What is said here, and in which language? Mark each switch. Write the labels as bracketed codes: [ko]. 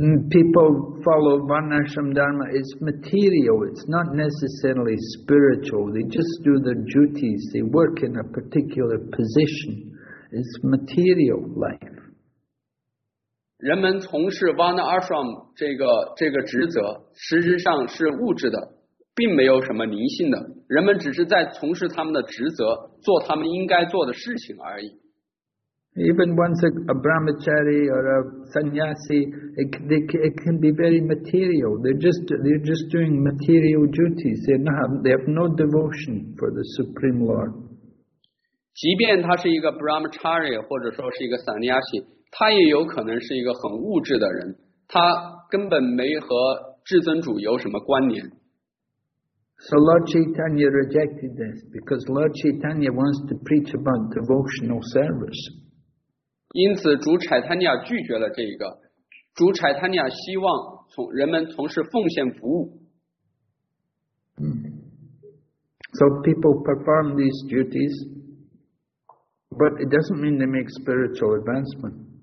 [en] People follow Varnashram Dharma, it's material, it's not necessarily spiritual. They just do their duties, they work in a particular position. It's material life. [zh] 人们从事 Varnashram 这个职责, 实质上是物质的, 并没有什么灵性的, 人们只是在从事他们的职责, 做他们应该做的事情而已。 [en] Even once a brahmachari or a sannyasi, it can be very material. They're just doing material duties. They have no devotion for the Supreme Lord. [zh] 即便他是一个 brahmachari 或者说是一个 sannyasi, 他也有可能是一个很物质的人，他根本没和至尊主有什么关联。 [en] So Lord Chaitanya rejected this because Lord Chaitanya wants to preach about devotional service. [zh] 因此主柴坦尼亚拒绝了这个，主柴坦尼亚希望从人们从事奉献服务。So [en] people perform these duties, but it doesn't mean they make spiritual advancement.